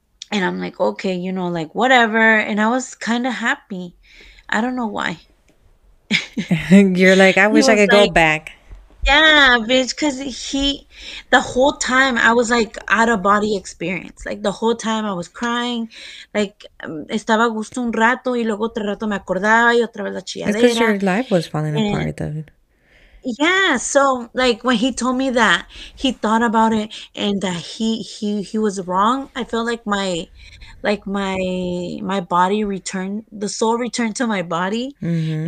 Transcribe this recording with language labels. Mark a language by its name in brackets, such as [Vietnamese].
[English] And I'm like, okay, you know, like, whatever. And I was kind of happy. I don't know why. You're like, I wish I could, like, go back. Yeah, bitch, because the whole time I was, like, out of body experience. Like, the whole time I was crying. [Spanish] Like, estaba a gusto un rato, y luego otro rato me acordaba, y otra vez la chilladera. [English] It's because your life was falling apart, though. Yeah, so, like, when he told me that he thought about it and that he was wrong, I felt like my body returned, the soul returned to my body. Mm-hmm.